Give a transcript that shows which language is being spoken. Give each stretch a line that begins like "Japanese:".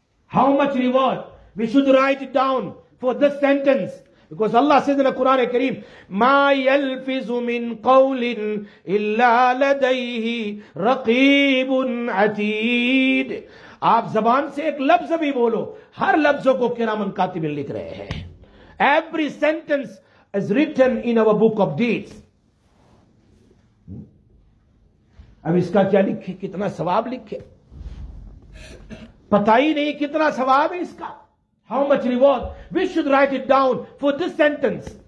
English: how much reward we should write down for this sentence, because Allah says in the Quran Kareem,
Arabic: مَا يَلْفِزُ مِن قَوْلٍ إِلَّا لَدَيْهِ رَقِيبٌ عَتِيدٌ.
Urdu: آپ زبان سے ایک لفظ بھی بولو, ہر لفظوں کو کرامن کاتبین لکھ رہے ہیں.
English: Every sentence is written in our book of deeds.
Urdu: اب اس کا کیا لکھے, کتنا ثواب لکھے, پتہ ہی نہیں کتنا ثواب ہے اس کا.
English: How much reward? We should write it down for this sentence.